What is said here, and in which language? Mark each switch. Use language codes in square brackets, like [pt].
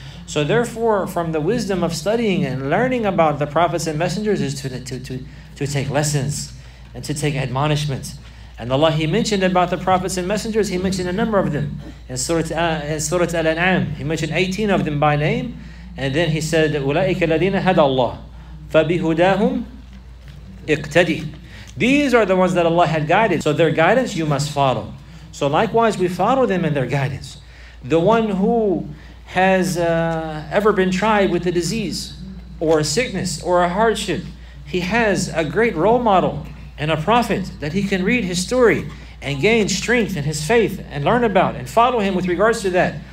[en] So therefore, from the wisdom of studying and learning about the prophets and messengers is to take lessons and to take admonishment. And Allah, he mentioned about the prophets and messengers, he mentioned a number of them in Surah Al-An'am. He mentioned 18 of them by name. And then he said, [ar] أُولَٰئِكَ الَّذِينَ هَدَى اللَّهِ فَبِهُدَاهُمْ اِقْتَدِي. [en] These are the ones that Allah had guided. So their guidance you must follow. So likewise, we follow them in their guidance. The one who has ever been tried with a disease or a sickness or a hardship, he has a great role model and a prophet that he can read his story and gain strength in his faith and learn about and follow him with regards to that.